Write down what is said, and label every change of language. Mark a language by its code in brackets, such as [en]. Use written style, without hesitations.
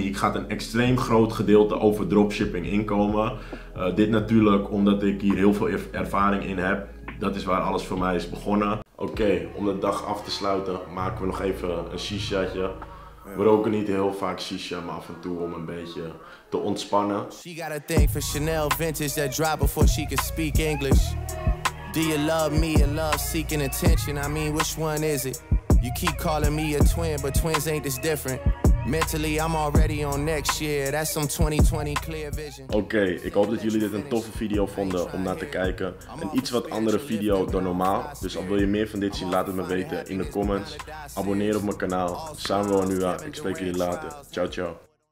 [nl] Hier gaat een extreem groot gedeelte over dropshipping inkomen. Dit natuurlijk omdat ik hier heel veel ervaring in heb. Dat is waar alles voor mij is begonnen. Oké, om de dag af te sluiten maken we nog even een shishaatje. Ja. We roken niet heel vaak shisha, maar af en toe om een beetje te ontspannen. [en] She got a thing for Chanel vintage that drop before she can speak English. Do you love me and love seeking attention? I mean, which one is it? You keep calling me a twin, but twins ain't this different. Mentally, I'm already on next year. That's some 2020 clear vision. [nl] Oké, ik hoop dat jullie dit een toffe video vonden om naar te kijken. Een iets wat andere video dan normaal. Dus al wil je meer van dit zien, laat het me weten in de comments. Abonneer op mijn kanaal. Samuel Anua, ik spreek jullie later. Ciao, ciao.